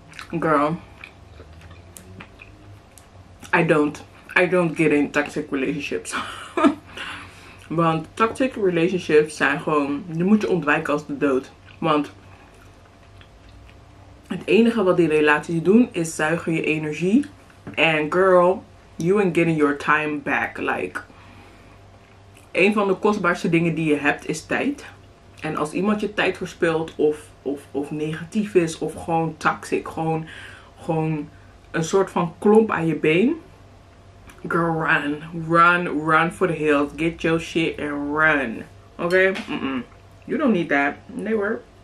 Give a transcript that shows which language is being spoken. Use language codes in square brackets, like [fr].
[en] Girl, I don't get in toxic relationships. [nl] Want toxic relationships zijn gewoon, je moet je ontwijken als de dood. Want het enige wat die relaties doen is zuigen je energie. [en] And girl, you ain't getting your time back. [nl] Like, een van de kostbaarste dingen die je hebt is tijd. En als iemand je tijd verspilt of negatief is of gewoon toxic. Gewoon een soort van klomp aan je been. [en] Girl, run. Run for the hills. Get your shit and run. Oké? You don't need that. [nl] Nee hoor.